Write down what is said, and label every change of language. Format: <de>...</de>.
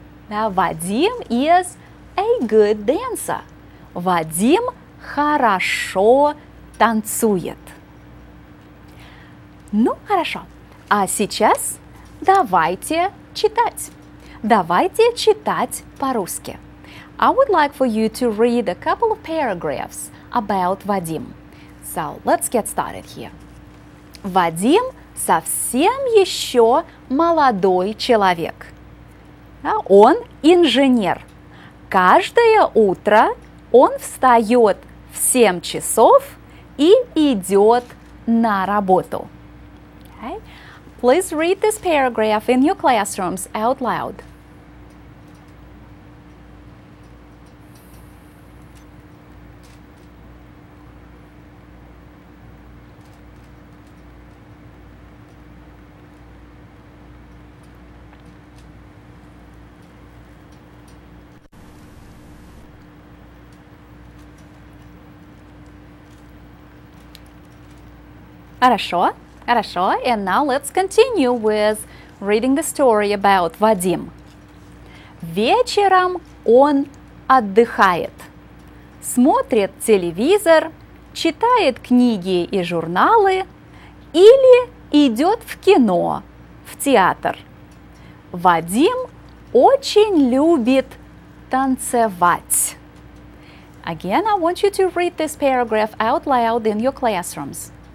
<en>Вадим is a good dancer.</en> <ru>Вадим хорошо танцует. Ну, хорошо. А сейчас давайте читать. Давайте читать по-русски.</ru> <en>I would like for you to read a couple of paragraphs about Вадим. So, let's get started here.</en> <ru>Вадим совсем еще молодой человек. Он инженер. Каждое утро он встает в 7 часов и идет на работу.</ru> <en>Okay. Please read this paragraph in your classrooms out loud.</en> <ru>Хорошо, хорошо.</ru> <en>And now let's continue with reading the story about Вадим.</en> <ru>Вечером он отдыхает, смотрит телевизор, читает книги и журналы или идет в кино, в театр. Вадим очень любит танцевать.</ru> <en>Again, I want you to read this paragraph out loud in your classrooms.</en>